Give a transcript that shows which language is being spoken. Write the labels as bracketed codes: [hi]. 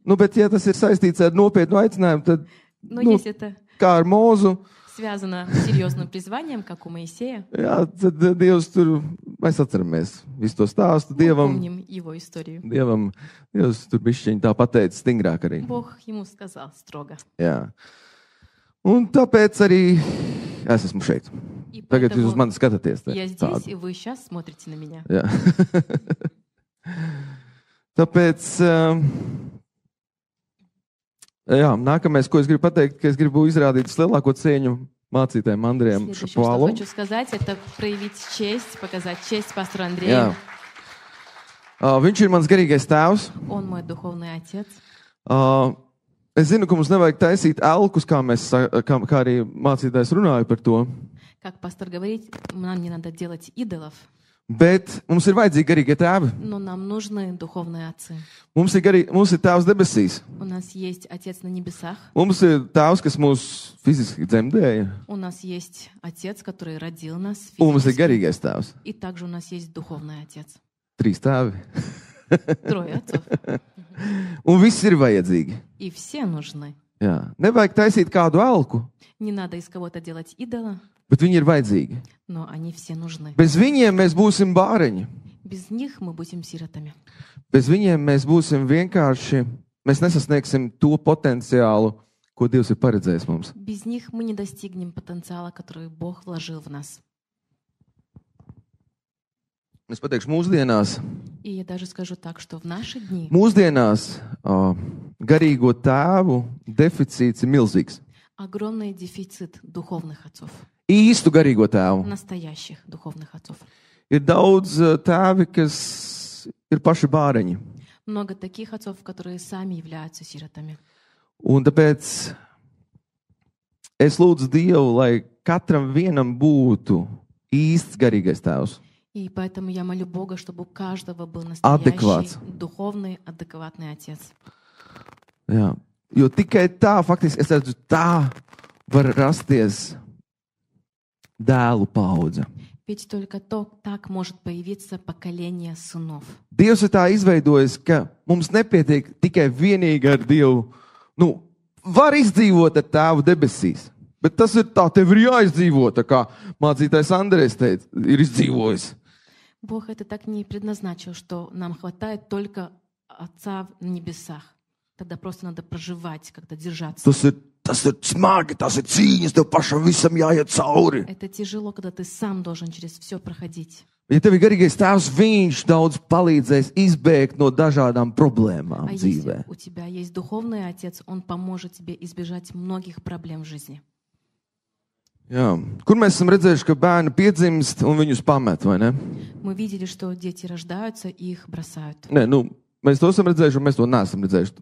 [lv] Ну, bet ja tas ir saistīts ar nopietnu aicinājumu, tad... [ru] Но ну, если это как ар Мозу, связано с серьезным призванием, как у Моисея. [lv] Я, Dievs, tur, mēs atceramies visu to stāstu. [ru] Мы помним его историю. [lv] Dievam, Dievs, tur bišķiņ tā pateica stingrāk arī. [ru] Бог ему сказал строго. [lv] Jā. Un tāpēc arī es esmu šeit. [ru] И [lv] Tagad jūs uz mani skatāties. [ru] Я здесь, [lv] tādu. [ru] И вы сейчас смотрите на меня. [lv] Jā. Tāpēc... Jā, nākamais, ko es gribu pateikt, ka es gribu izrādīt lielāko cieņu mācītājiem Andrejam Šapovalovam. [ru] Следующее, что хочу сказать, это проявить честь, показать честь пастору Андрею. [lv] Jā. Viņš ir mans garīgais tēvs. [ru] Он мой духовный отец. [lv] Es zinu, ka mums nevajag taisīt elkus, kā arī mācītājs runāja par to. [ru] Как пастор говорит, нам не надо делать идолов. [lv] Bet mums ir vajadzīgi garīgie tēvi. [ru] Но нам нужны духовные отцы. [lv] Mums ir garīgi, mums ir tēvs debesīs. [ru] У нас есть отец на небесах. [lv] Mums ir tēvs, kas mūs fiziski dzemdēja. [ru] У нас есть отец, который родил нас физически. [lv] Mums ir garīgais tēvs. [ru] И также у нас есть духовный отец. [lv] Trīs tēvi. [ru] Трое отцов. [lv] Un viss ir vajadzīgi. [ru] И все нужны. [lv] Jā. Nevajag taisīt kādu elku. [ru] Не надо из кого-то делать идола. [lv] Bet viņi ir vajadzīgi. [ru] Но они все нужны. Без [lv] viņiem mēs būsim bāreņi. [ru] Без них мы будем сиротами. Без [lv] viņiem mēs būsim vienkārši, mēs nesasniegsim to potenciālu, ko Dievs ir paredzējis mums. [ru] Без них мы не достигнем потенциала, который Бог вложил в нас. [lv] Es pateikšu mūsdienās. [ru] И я даже скажу так, что в наши дни. [lv] Mūsdienās garīgo tēvu deficīts ir milzīgs. [ru] Огромный дефицит духовных отцов. [lv] Īstu garīgo tēvu. [ru] Настоящих духовных отцов. [lv] Ir daudz tēvi, kas ir paši bāreņi. [ru] Много таких отцов, которые сами являются сиротами. [lv] Un tāpēc es lūdzu Dievu, lai katram vienam būtu īsts garīgais tēvs. [ru] И поэтому я молю Бога, чтобы у каждого был настоящий адекват. Духовный, адекватный отец. [lv] Jā. Jo tikai tā, faktiski, es redzu, tā var rasties dēlu paudze. [ru] Ведь только то, так может появиться поколение сынов. [lv] Dievs ir tā izveidojis, ka mums nepietiek tikai vienīgi ar Dievu. Nu, var izdzīvot ar tēvu debesīs. Bet tas ir tā, tev ir jāizdzīvot, tā kā mācītājs Andrejs teica, ir izdzīvojis. [ru] Бог это так не предназначил, что нам хватает только отца в небесах. Тогда просто надо проживать, как-то держаться. [lv] Tas ir smagi, tas ir cīņas, tev pašam visam jāiet cauri. [ru] Это тяжело, когда ты сам должен через все проходить. [lv] Ja tev ir garīgais tēvs, viņš daudz palīdzēs izbēgt no dažādām problēmām dzīvē. [ru] У тебя есть духовный отец, он поможет тебе избежать многих проблем в жизни. [lv] Jā. Kur mēs esam redzējuši, ka bērni piedzimst un viņus pamet, vai ne? [ru] Мы видели, что дети рождаются и их бросают. [lv] Nē, nu, mēs to esam redzējuši, un mēs to neesam redzējuši.